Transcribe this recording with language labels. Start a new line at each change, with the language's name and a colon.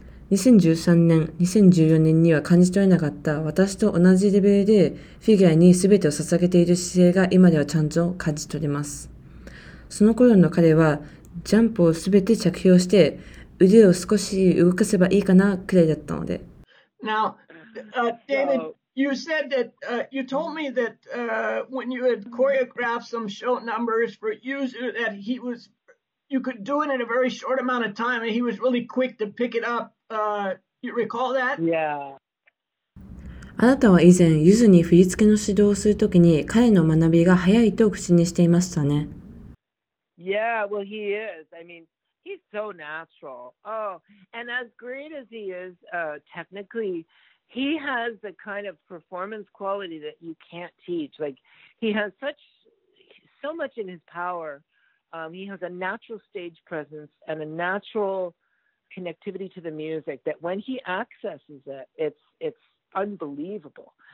Japanese: 2013年、2014年には感じ取れなかった私と同じレベルでフィギュアに全てを捧げている姿勢が今ではちゃんと感じ取れます。その頃の彼はジャンプをすべて着氷して腕を少し動かせばいいかなくらいだったので。
English: Now, David, you said that, you told me that, when you had choreographed some show numbers for Yuzu, that he was, you could do it in a very short amount of time and he was really quick to pick it up. You recall that? Yeah.
Japanese: あなたは以前ユズに振り付けの指導をするときに彼の学びが早いと口にしていましたね。
English: Yeah, well, he is. I mean, he's so natural. Oh, and as great as he is, technically, he has the kind of performance quality that you can't teach. Like, he has such, so much in his power. He has a natural stage presence and a natural connectivity to the music that when he accesses it, it's unbelievable.